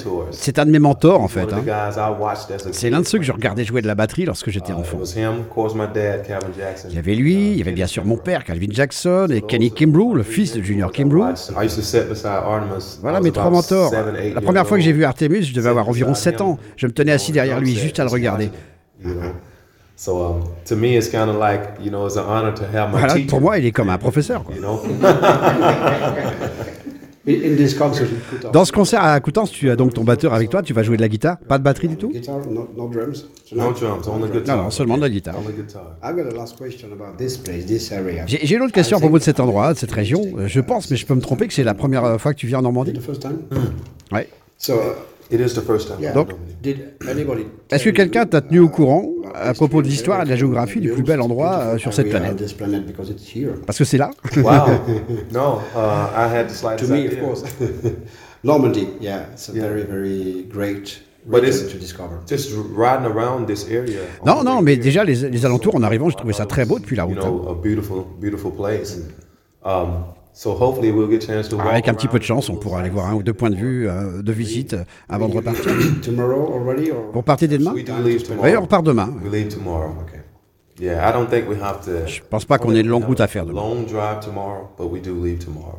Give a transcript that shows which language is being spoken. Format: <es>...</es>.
<fr>C'est un de mes mentors, en fait. Hein. C'est l'un de ceux que je regardais jouer de la batterie lorsque j'étais enfant. Il y avait lui, il y avait bien sûr mon père, Calvin Jackson, et Kenny Kimbrough, le fils de Junior Kimbrough. Voilà mes trois mentors. La première fois que j'ai vu Artemas, je devais avoir environ 7 ans. Je me tenais assis derrière lui, juste à le regarder.</fr> <en>So to me it's kind of like, you know, it's an honor to have my</en> <fr>voilà,</fr> <en>teacher.</en> <fr>Pour moi, il est comme un professeur, quoi.</fr> <en>In this concert,</en> <fr>dans ce concert à Coutances, tu as donc ton batteur avec toi, tu vas jouer de la guitare, pas de batterie du tout.</fr> <en>Guitar, no drums. No drums, only guitar.</en> <fr>Non, seulement de la guitare.</fr> <en>I got a last question about this place, this area.</en> <fr>J'ai une autre question à propos de cet endroit, de cette région. Je pense, mais je peux me tromper, que c'est la première fois que tu viens en Normandie.</fr> <en>The first time.</en> <fr>Ouais.</fr> <en>So it is the first time. Yeah.</en> <fr>Donc, est-ce que quelqu'un t'a tenu au courant à propos de l'histoire et de la géographie du plus bel endroit sur cette planète? Parce que c'est là.</fr> <en>Wow. No, I had the slightest idea. To me, of course. Normandy, yeah, it's a very, very great. But it's to discover. Just riding around this area.</en> <fr>Non, mais déjà les alentours en arrivant, j'ai trouvé ça très beau depuis la route.</fr> <en>You know, a beautiful, beautiful place. So hopefully we'll get a chance to walk.</en> <fr>Avec un petit peu de chance, on pourra aller voir un ou deux points de vue de visite avant de repartir.</fr> <en>Tomorrow already, or</en> <fr>vous partez dès demain? Oui, on repart demain.</fr> <en>We leave tomorrow. Okay. Yeah, I don't think we have to.</en> <fr>Je pense pas qu'on ait de longue route à faire demain.</fr> <en>Long drive tomorrow, but we do leave tomorrow.</en>